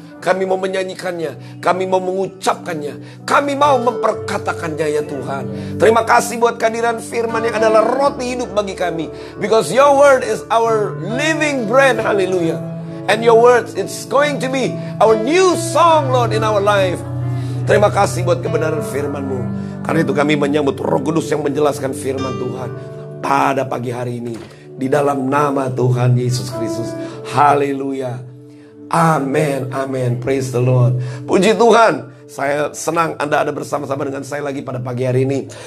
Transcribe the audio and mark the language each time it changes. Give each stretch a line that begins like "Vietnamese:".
Indonesian: Kami mau menyanyikannya, kami mau mengucapkannya, kami mau memperkatakannya ya Tuhan. Terima kasih buat kehadiran firman yang adalah roti hidup bagi kami.
English: Because Your word is our living bread, hallelujah. And Your word, it's going to be our new song, Lord, in our life.
Indonesian: Terima kasih buat kebenaran firman-Mu. Karena itu kami menyambut Roh Kudus yang menjelaskan firman Tuhan pada pagi hari ini. Di dalam nama Tuhan Yesus Kristus, hallelujah. Amin, amin,
English: praise the Lord.
Indonesian: Puji Tuhan, saya senang Anda ada bersama-sama dengan saya lagi pada pagi hari ini.